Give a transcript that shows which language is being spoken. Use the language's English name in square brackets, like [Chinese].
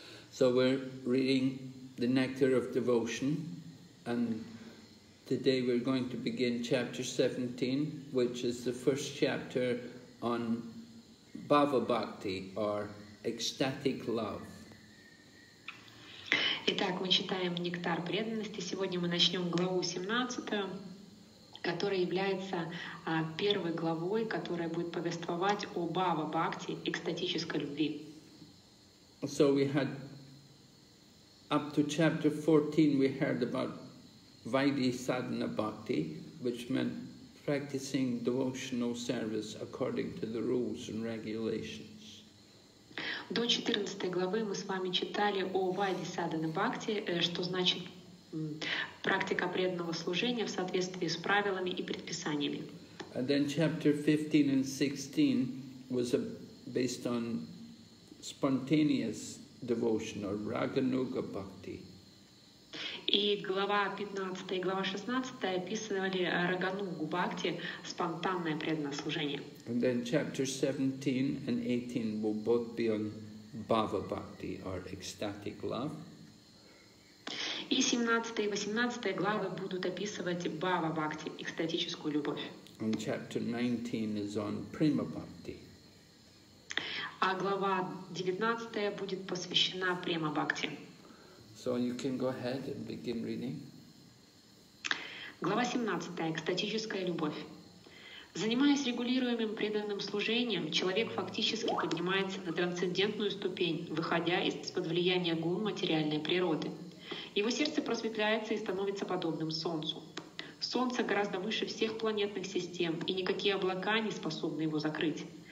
[English] So we're reading the Nectar of Devotion, and today we're going to begin chapter 17, which is the first chapter on Bhava Bhakti, or ecstatic love. [Russian] Итак, мы читаем «Нектар преданности». Сегодня мы начнем главу 17, которая является первой главой, которая будет повествовать о бхава-бхакти, экстатической любви. [English] So we had up to chapter 14 we heard about Vaidhi Sadhana Bhakti, which meant practicing devotional service according to the rules and regulations. [Russian] До 14 главы мы с вами читали о Вайди Садхана Бхакти, что значит практика преданного служения в соответствии с правилами и предписаниями. [English] And then chapter 15 and 16 was based on spontaneous devotion or Raganuga Bhakti. [Russian] И глава 15 и глава 16 описывали Раганугу Бхакти, спонтанное преданное служение. [English] And then chapter 17 and 18 will both be on Bhava Bhakti or ecstatic love. [Russian] И 17 и 18 главы будут описывать Бхава Бхакти, экстатическую любовь. [English] And chapter 19 is on Prima Bhakti. [Russian] А глава 19 будет посвящена Према Бхакти. [English] So you can go ahead and begin reading. [Russian] Глава 17. Экстатическая любовь. Занимаясь регулируемым преданным служением, человек фактически поднимается на трансцендентную ступень, выходя из-под влияния гун материальной природы. Его сердце просветляется и становится подобным Солнцу. Солнце гораздо выше всех планетных систем, и никакие облака не способны его закрыть.